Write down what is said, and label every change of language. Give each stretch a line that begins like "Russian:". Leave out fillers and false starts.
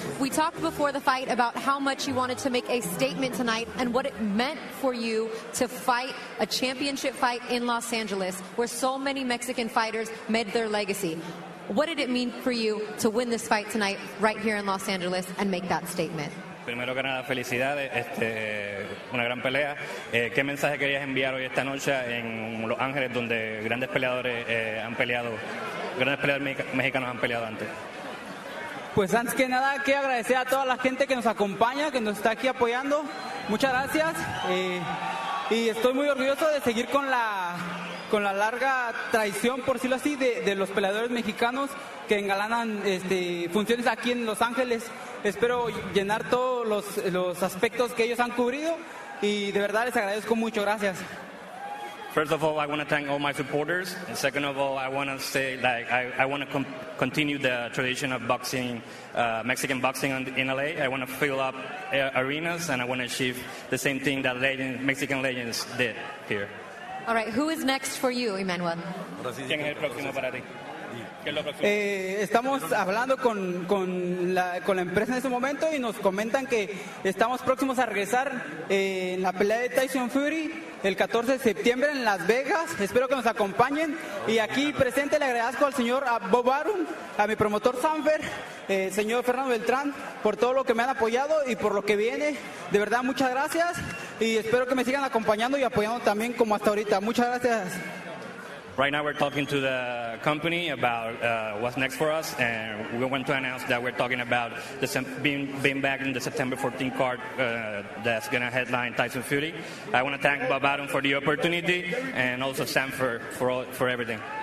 English: We talked before the fight about how much you wanted to make a statement tonight and what it meant for you to fight a championship fight in Los Angeles, where so many Mexican fighters made their legacy. What did it mean for you to win this fight tonight right here in Los Angeles and make that statement?
Spanish: Primero que nada, felicidades. Una gran pelea. ¿Qué mensaje querías enviar hoy esta noche en Los Ángeles, donde grandes peleadores han peleado, grandes peleadores mexicanos han peleado antes? Pues antes que nada, quiero agradecer a toda la gente que nos acompaña, que nos está aquí apoyando. Muchas gracias. Y estoy muy orgulloso de seguir con la larga tradición, por decirlo así, de los peleadores mexicanos que engalanan funciones aquí en Los Ángeles. Espero llenar todos los aspectos que ellos han cubrido y de verdad les agradezco mucho. Gracias.
English: First of all, I want to thank all my supporters. And second of all, I want to say, like, I want to continue the tradition of boxing, Mexican boxing in LA. I want to fill up arenas, and I want to achieve the same thing that Mexican legends did here. All right, who is next for you, Emmanuel?
Spanish: ¿Quién es el próximo para ti? Estamos hablando con la empresa en ese momento y nos comentan que estamos próximos a regresar en la pelea de Tyson Fury el 14 de septiembre en Las Vegas. Espero que nos acompañen. Y aquí presente le agradezco al señor Bob Arum, a mi promotor Sanfer, señor Fernando Beltrán, por todo lo que me han apoyado y por lo que viene. De verdad, muchas gracias y espero que me sigan acompañando y apoyando también como hasta ahorita. Muchas gracias.
English: Right now we're talking to the company about what's next for us, and we want to announce that we're talking about the being back in the September 14 card that's going to headline Tyson Fury. I want to thank Bob Arum for the opportunity and also Sam for everything.